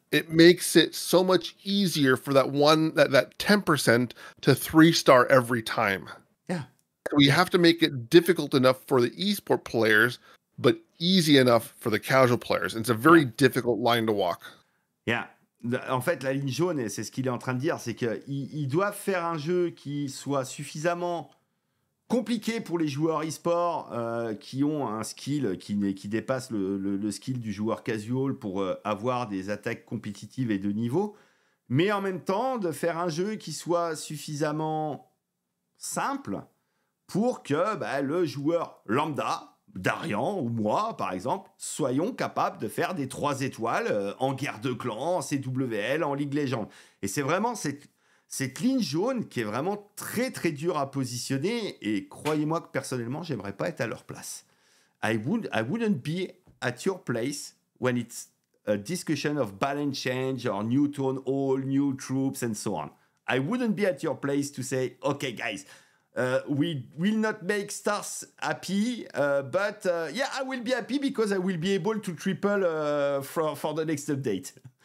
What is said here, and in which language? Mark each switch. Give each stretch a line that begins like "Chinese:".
English: it makes it so much easier for that one, that 10% to 3-star every time. Yeah. We have to make it difficult enough for the esport players, but easy enough for the casual players. And it's a very difficult line to walk. Yeah.
French: En fait, la ligne jaune, et c'est ce qu'il est en train de dire, c'est qu'ils doivent faire un jeu qui soit suffisamment compliqué pour les joueurs e-sport qui ont un skill qui dépasse le skill du joueur casual pour avoir des attaques compétitives et de niveau, mais en même temps de faire un jeu qui soit suffisamment simple pour que le joueur lambda, Darian ou moi par exemple, soyons capables de faire des 3 étoiles en guerre de clan, en CWL, en League Legends. Et c'est vraiment cette ligne jaune qui est vraiment très très dure à positionner, et croyez-moi que personnellement j'aimerais pas être à leur place.
English: I wouldn't be at your place when it's a discussion of balance change or new tone all new troops and so on. I wouldn't be at your place to say, okay guys, we will not make stars happy, but I will be happy because I will be able to triple for the next update.